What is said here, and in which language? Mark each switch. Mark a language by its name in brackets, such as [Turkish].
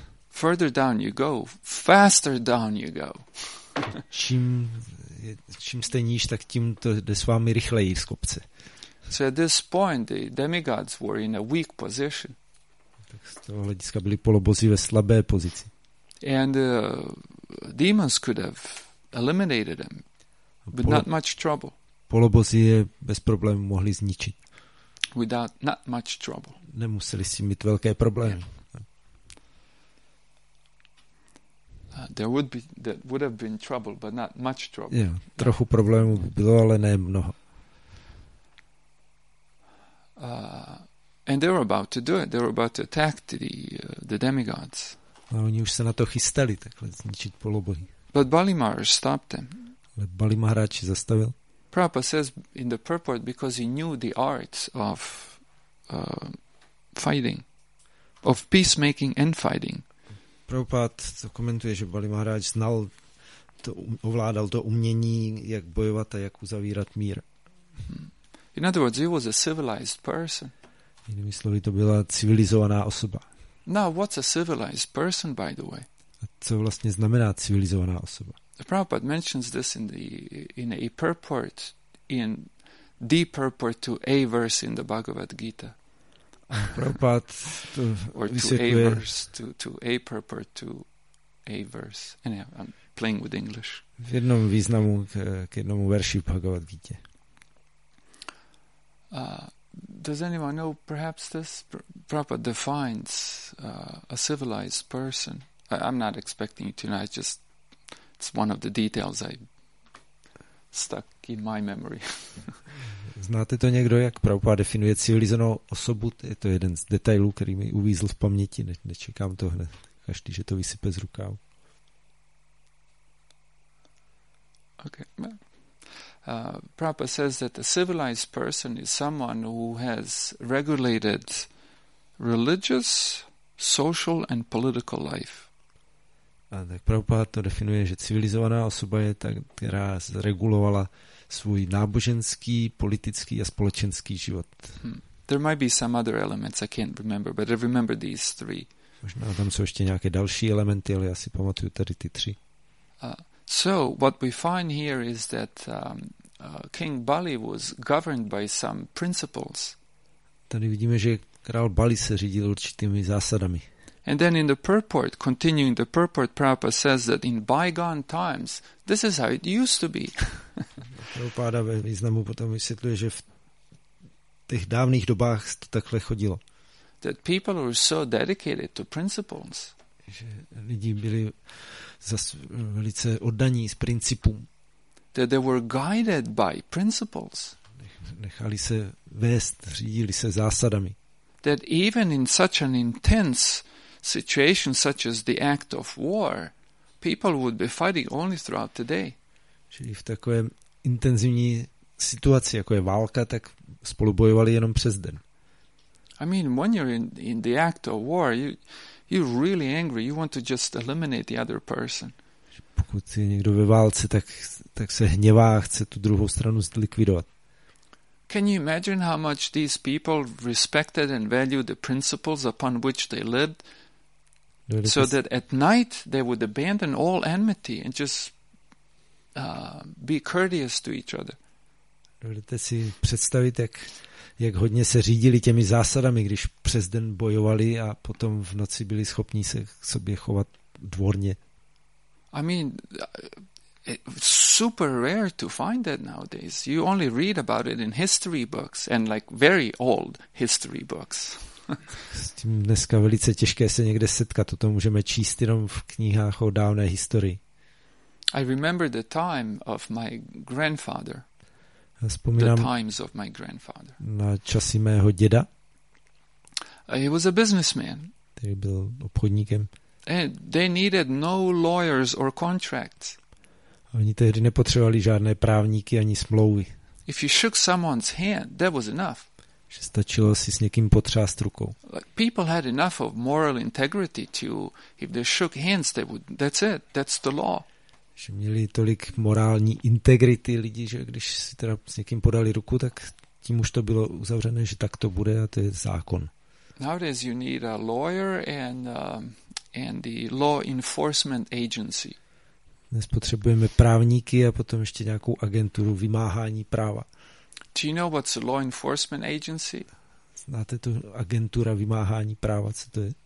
[English] Further down you go, faster down you go. [Czech] Čím jste níž, tak tím to jde s vámi rychleji z kopce. [English] So at this point the demigods were in a weak position. [Czech] Tak z toho hlediska byli polobozy ve slabé pozici. [English] And demons could have eliminated them, but not much trouble. [Czech] Polobozy je bez problémů mohli zničit. [English] Without not much trouble. [Czech] Nemuseli s tím mít velké problémy. [English] There would be, that would have been trouble, but not much trouble. [Czech] Yeah, trochu problémů bylo, ale ne mnoho. [English] And they were about to do it. They were about to attack the demigods. [Czech] A oni už se na to chystali, takhle zničit polobohy. [English] But Bali Maharaj stopped them. [Czech] Ale Bali Maharaj je zastavil. [English] Prabhupada says in the purport because he knew the arts of fighting, of peacemaking and fighting. [Czech] Prabhupada komentuje, že Bali Maharaj znal, to ovládal to umění, jak bojovat a jak uzavírat mír. [English] In other words, he was a civilized person. [Czech] Jinými slovy, to byla civilizovaná osoba. [English] Now, what's a civilized person, by the way? [Czech] A co vlastně znamená civilizovaná osoba? [English] Prabhupada mentions this in a purport to a verse in the Bhagavad Gita. Prabhupada or to a purport to a verse. Anyhow, I'm playing with English. [Czech] V jednom významu k jednomu verši v Bhagavad Gita. [English] Does anyone know perhaps this? Prabhupada defines a civilized person. I'm not expecting you to know. It's one of the details I stuck in my memory. [Czech] Znáte to někdo, jak Prabhupada definuje civilizovanou osobu? Je to jeden z detailů, který mi uvízl v paměti. Nečekám to hned. Každý, že to vysype z rukáv. Okay. [English] Prabhupada says that a civilized person is someone who has regulated religious, social and political life. [Czech] A tak Prabhupada to definuje, že civilizovaná osoba je ta, která zregulovala svůj náboženský, politický a společenský život. [English] There might be some other elements, I can't remember, but I remember these three. [Czech] Možná tam jsou ještě nějaké další elementy, ale já si pamatuju tady ty tři. [English] So what we find here is that King Bali was governed by some principles. [Czech] Tady vidíme, že král Bali se řídil určitými zásadami. [English] And then in the purport, continuing the purport, Prabhupada says that in bygone times, this is how it used to be. [Czech] Prabhupada ve významu potom vysvětluje, že v těch dávných dobách to takhle chodilo. [English] That people were so dedicated to principles. [Czech] že lidi byli zas velice oddaní z principům. [English] That they were guided by principles. [Czech] Nechali se vést, řídili se zásadami. [English] That even in such an intense situation such as the act of war, people would be fighting only throughout the day. [Czech] Čili v takové intenzivní situaci, jako je válka, tak spolu bojovali jenom přes den. [English] I mean, when you're in the act of war, you're really angry. You want to just eliminate the other person. [Czech] Pokud je někdo ve válce, tak se hněvá a chce tu druhou stranu zlikvidovat. [English] Can you imagine how much these people respected and valued the principles upon which they lived? So that at night they would abandon all enmity and just be courteous to each other. [Czech] Dovedete si představit, jak hodně se řídili těmi zásadami, když přes den bojovali a potom v noci byli schopni se k sobě chovat dvorně. [English] I mean, it's super rare to find that nowadays. You only read about it in history books and like very old history books. [Czech] S tím dneska velice těžké se někde setkat. Toto můžeme číst jenom v knihách o dávné historii. [English] I remember the time of my grandfather. [Czech] Vzpomínám [English] the times of my grandfather. [Czech] Na časy mého děda. [English] He was a businessman. [Czech] Který byl obchodníkem. [English] And they needed no lawyers or contracts. [Czech] Oni tehdy nepotřebovali žádné právníky ani smlouvy. [English] If you shook someone's hand, that was enough. [Czech] Že stačilo si s někým potřást rukou. [English] Like people had enough of moral integrity to, if they shook hands, they would, that's it, that's the law. [Czech] Že měli tolik morální integrity lidi, že když si teda s někým podali ruku, tak tím už to bylo uzavřené, že tak to bude a to je zákon. [English] Nowadays you need a lawyer and the law enforcement agency. [Czech] Dnes potřebujeme právníky a potom ještě nějakou agenturu vymáhání práva. [English] Do you know what's a law enforcement agency? [Czech] Znáte tu agentura vymáhání práva, co to je?